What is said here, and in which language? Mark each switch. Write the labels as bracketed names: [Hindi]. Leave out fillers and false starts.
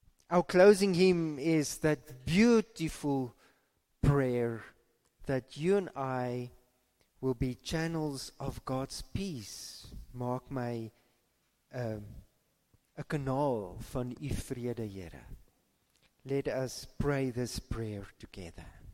[English] Our closing hymn is that beautiful prayer that you and I will be channels of God's peace. [Afrikaans] Maak my 'n kanaal van U vrede, Here. [English] Let us pray this prayer together.